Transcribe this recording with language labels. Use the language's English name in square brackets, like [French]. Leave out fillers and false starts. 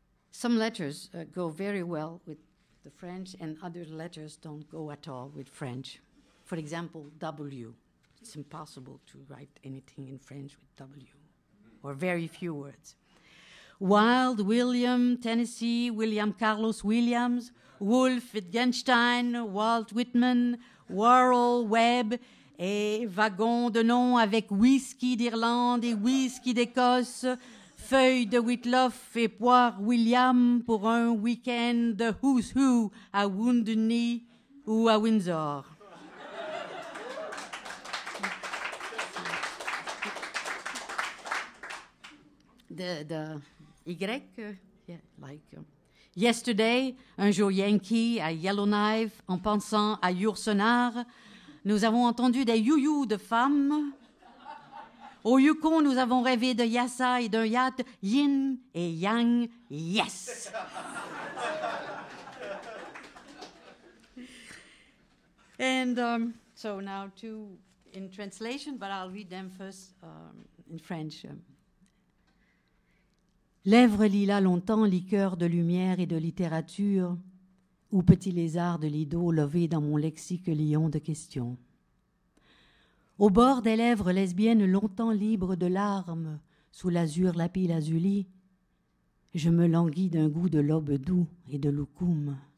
[English] Some letters go very well with the French, and other letters don't go at all with French. For example, W. It's impossible to write anything in French with W, or very few words. [French] Wild, William, Tennessee, William Carlos Williams, Wolf, Wittgenstein, Walt Whitman, Worrell, Webb, et wagon de nom avec whisky d'Irlande et whisky d'Écosse, feuille de Whitloff et poire William pour un week-end de Who's Who à Wounded Knee ou à Windsor. [English] The Y, yesterday, [French] un jour Yankee à Yellowknife, en pensant à Yourcenar, nous avons entendu des you-you de femmes. Au Yukon, nous avons rêvé de Yassa et d'un yacht, Yin et Yang, yes! [English] And so now two in translation, but I'll read them first in French. [French] Lèvres lila longtemps, liqueur de lumière et de littérature, ou petit lézard de Lido levé dans mon lexique lion de questions. Au bord des lèvres lesbiennes longtemps libres de larmes, sous l'azur lapis-lazuli, je me languis d'un goût de l'aube doux et de loukoum.